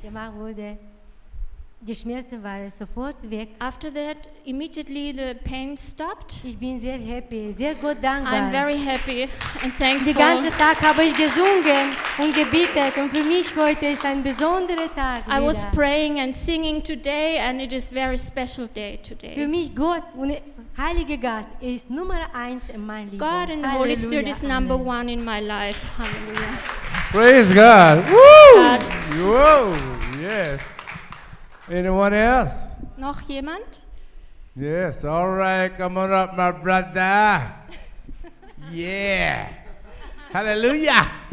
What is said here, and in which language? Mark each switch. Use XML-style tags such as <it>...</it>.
<de>Die Schmerzen waren sofort weg.</de> <en>After that, immediately the pain stopped.</en> <de>Ich bin sehr happy, sehr gut dankbar.</de> <en>I'm very happy and thankful.</en> <de>Den ganzen Tag habe ich gesungen und gebetet. Und für mich heute ist ein besonderer Tag.</de> <en>I was praying and singing today and it is a very special day today.</en> <de>Für mich Gott und Heiliger Geist ist Nummer eins in meinem Leben.</de> <en>God and Holy Spirit is number one in my life. Hallelujah. Praise God. Woo! God. Whoa, yes. Anyone else?</en> <de>Noch jemand?</de> <en>Yes, all right, come on up, my brother. Yeah. Hallelujah.</en>